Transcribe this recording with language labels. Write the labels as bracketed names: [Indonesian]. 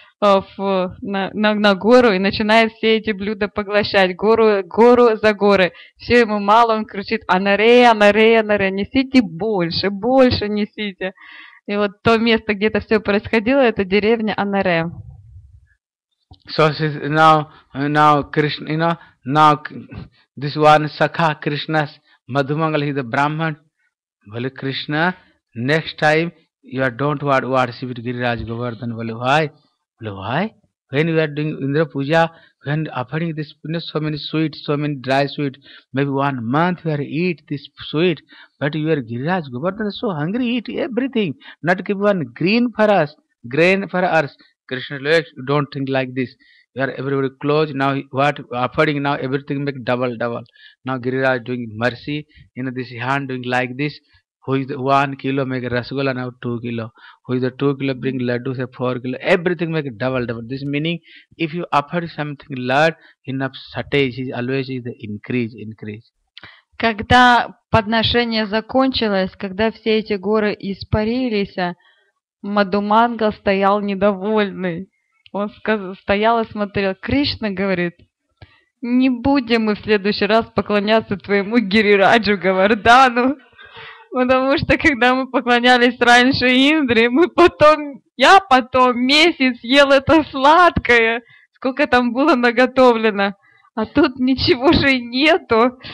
[Russian] на гору и начинает все эти блюда поглощать, гору, гору за горы. Все ему мало, он кричит: «Анаре, анаре, анаре, несите больше, больше несите». И вот то место, где это все происходило, это деревня Анаре. [English] So says, now Krishna, you know, now this one Sakha Krishna's Madhumangala, he's a Brahman. Well, Krishna, next time you don't want worship with Giriraj Govardhan. Well, why? Well, why? When you are doing Indra Puja, when offering this, you know, so many sweets, so many dry sweets, maybe 1 month you are eat this sweet, but you are Giriraj Govardhan, so hungry, eat everything. Not give one green for us, grain for us. Krishna, you don't think like this. You are everybody close. Now what offering, now everything make double. Now Giriraj doing mercy, you know, this hand doing like this. Who is the 1 kilo make rasgulla, now 2 kilo. Who is the 2 kilo bring laddu, say 4 kilo. Everything make double. This meaning, if you offer something large, enough shortage is always the increase. [Russian] Когда подношение закончилось, когда все эти горы испарились, Мадхумангал стоял недовольный. Он стоял и смотрел. Кришна говорит: «Не будем мы в следующий раз поклоняться твоему Гирираджу Говардану, потому что когда мы поклонялись раньше Индре, я потом месяц ел это сладкое, сколько там было наготовлено, а тут ничего же нету».